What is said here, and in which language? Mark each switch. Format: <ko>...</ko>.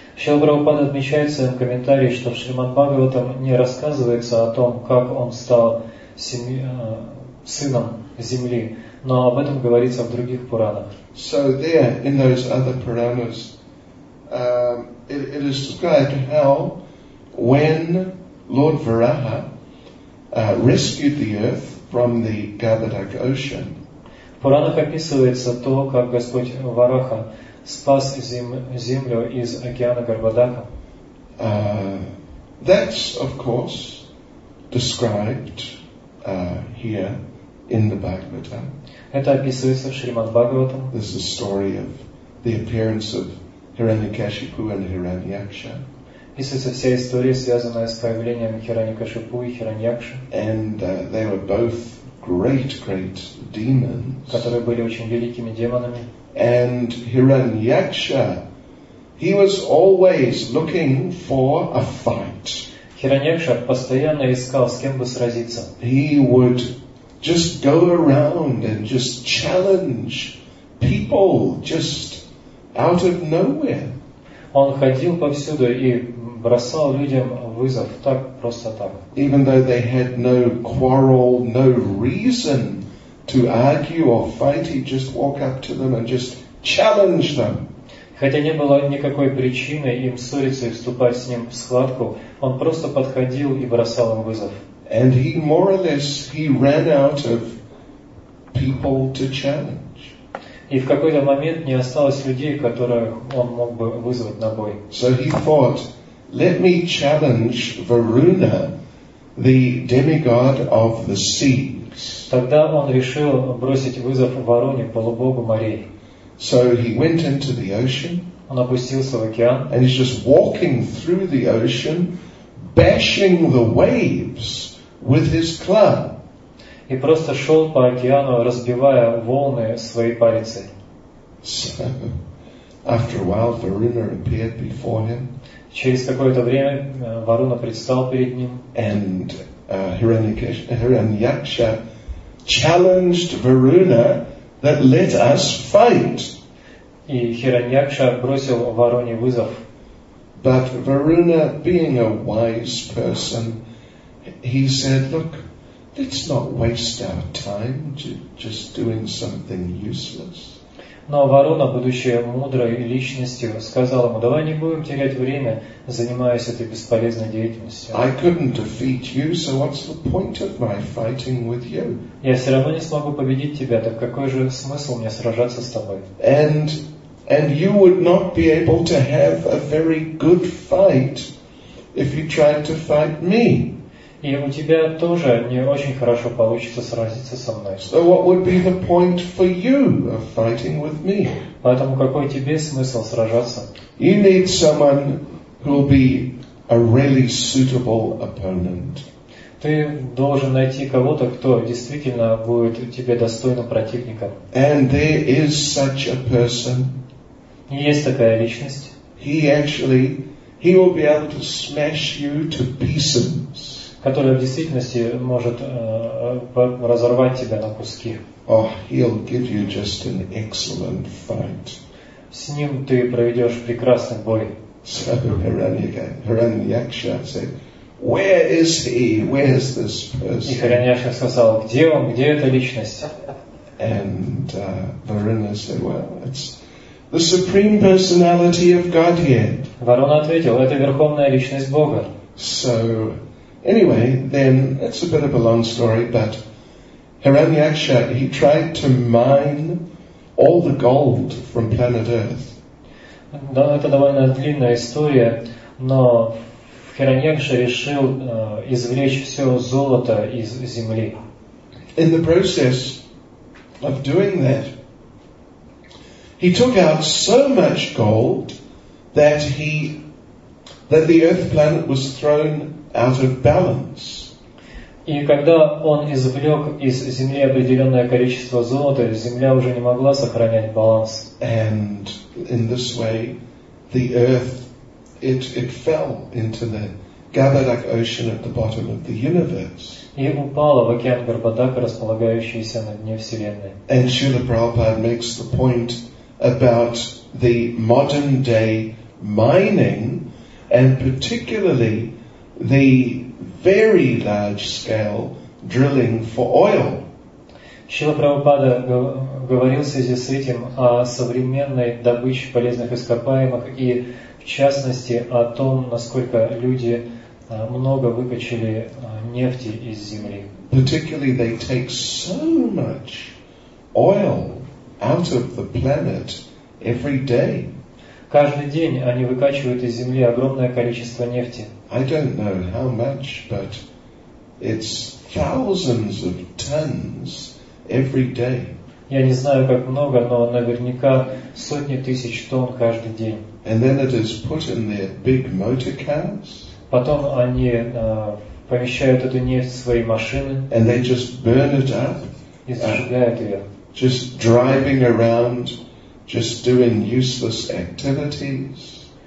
<ru>Шрила Прабхупада отмечает в своем комментарии, что в Шримад Бхагаватам не рассказывается о том, как он стал сыном земли, но об этом говорится в других Пуранах.</ru> <en>So there, in those other Puranas, it is described how when Lord Varaha rescued the earth from the Gavadak ocean.</en> <ru>В Пуранах описывается то, как Господь Вараха спас землю из океана Гарбадака.</ru> <en>That's, of course, described here in the Bhagavatam.</en> <ru>Это описывается в Шримад Бхагаватам.</ru> <en>This is a story of the appearance of Hiranyakashipu and Hiranyaksha.</en> <ru>Описывается вся история, связанная с появлением Хираньякашипу и Хираньякши.</ru> <en>And they were both great demons.</en> <ru>Которые были очень великими демонами.</ru> <en>And Hiranyaksha, he was always looking for a fight.</en> <ru>Хираньякша постоянно искал, с кем бы сразиться.</ru> <en>He would just go around and just challenge people just out of nowhere.</en> <ru>Он ходил повсюду и бросал людям вызов так, просто так.</ru> <en>Even though they had no quarrel, no reason to argue or fight, he'd just walk up to them and just challenge them.</en> <ru>Хотя не было никакой причины им ссориться и вступать с ним в схватку, он просто подходил и бросал им вызов.</ru> <en>And he more or less he ran out of people to challenge.</en> <ru>И в какой-то момент не осталось людей, которых он мог бы вызвать на бой.</ru> <en>So he thought, let me challenge Varuna, the demigod of the seas.</en> <ru>Тогда он решил бросить вызов Варуне, полубогу морей.</ru> <en>So he went into the ocean.</en> <ru>Он опустился в океан.</ru> <en>And he's just walking through the ocean, bashing the waves with his club.</en> <ru>И просто шел по океану, разбивая волны своей палицей.</ru> <en>So, after a while, Varuna appeared before him.</en> <ru>Через какое-то время Варуна предстал перед ним.</ru> <en>And Hiranyaksha challenged Varuna that let us fight.</en> <ru>И Хираньякша бросил Варуне вызов.</ru> <en>But Varuna, being a wise person, he said, look, let's not waste our time just doing something useless.</en> <ru>Но Варуна, будучи мудрой личностью, сказал ему, давай не будем терять время, занимаясь этой бесполезной деятельностью.</ru> <en>I couldn't defeat you, so what's the point of my fighting with you?</en> <ru>Я все равно не смогу победить тебя, так какой же смысл мне сражаться с тобой?</ru> <en>And you would not be able to have a very good fight if you tried to fight me.</en> <ru>И у тебя тоже не очень хорошо получится сразиться со мной.</ru> <en>So what would be the point for you of fighting with me?</en> <ru>Поэтому какой тебе смысл сражаться?</ru> <en>You need someone who will be a really suitable opponent.</en> <ru>Ты должен найти кого-то, кто действительно будет тебе достойным противником.</ru> <en>And there is such a person.</en> <ru>Есть такая личность.</ru> <en>He will be able to smash you to pieces.</en> <ru>Которая в действительности может разорвать тебя на куски.</ru> <en>Oh, he'll give you just an excellent fight.</en> <ru>С ним ты проведешь прекрасный бой.</ru> <en>So Hiranyaksha said, where is he? Where is this person?</en> <ru>И Хираньякша сказал, где он? Где эта личность?</ru> <en>And Varuna said, well, it's the supreme personality of Godhead.</en> <ru>Варуна ответил, это верховная личность Бога.</ru> <en>So anyway, then, it's a bit of a long story, but Hiranyaksha, he tried to mine all the gold from planet Earth.</en> <ru>Да, это довольно длинная история, но в Хираньякша решил извлечь все золото из земли.</ru> <en>In the process of doing that, he took out so much gold that the earth planet was thrown out of balance.</en> <ru>И когда он извлек из земли определенное количество золота, земля уже не могла сохранять баланс.</ru> <en>And in this way, the earth it fell into the Gavadak ocean at the bottom of the universe.</en> <ru>И упала в океан Гарбадака, располагающийся на дне вселенной.</ru> <en>And Srila Prabhupada makes the point about the modern day mining, and particularly the very large scale drilling for oil.</en> <ru>Шрила Прабхупада говорил в связи с этим о современной добыче полезных ископаемых и в частности о том, насколько люди много выкачали нефти из земли.</ru> <en>Particularly they take so much oil out of the planet every day.</en> <ru>Каждый день они выкачивают из земли огромное количество нефти.</ru> <en>I don't know how much, but it's thousands of tons every day.</en> <ru>Я не знаю, как много, но наверняка сотни тысяч тонн каждый день.</ru> <en>And then it is put in their big motor cars.</en> <ru>Потом они помещают эту нефть в свои машины.</ru> <en>And they just burn it up.</en> <ru>И сжигают ее.</ru> <en>Just driving around, just doing useless activities.</en>